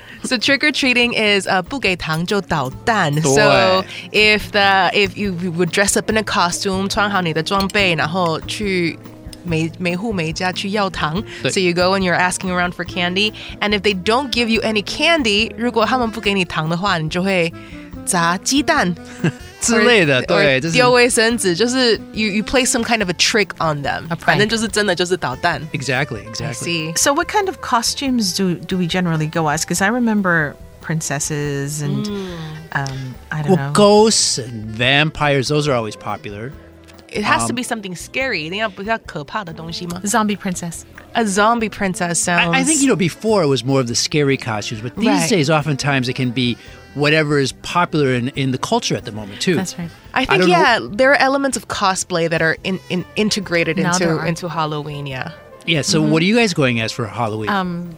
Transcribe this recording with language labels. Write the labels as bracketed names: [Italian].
[English] So trick-or-treating is [Chinese] 不給糖就搗蛋 [English] So if you would dress up in a costume, [Chinese] 穿好你的裝備然後去每户每家去要糖. [English] So you go and you're asking around for candy. And if they don't give you any candy, [Chinese] 如果他们不给你糖的话, 你就会砸鸡蛋. 之类的,对,就是丢卫生纸, 就是 [English] you play some kind of a trick on them. A prank. [Chinese] 反正就是真的就是捣蛋. [English] Exactly, exactly. I see. So what kind of costumes do we generally go as? Because I remember princesses and, I don't know. Ghosts and vampires, those are always popular. It has to be something scary. [Chinese] 一定要比较可怕的东西吗? [English] Zombie princess. A zombie princess sounds... I think, you know, before it was more of the scary costumes, but these days, oftentimes, it can be... whatever is popular in the culture at the moment, too. That's right. I think, there are elements of cosplay that are integrated into Halloween, yeah. Yeah, so what are you guys going as for Halloween?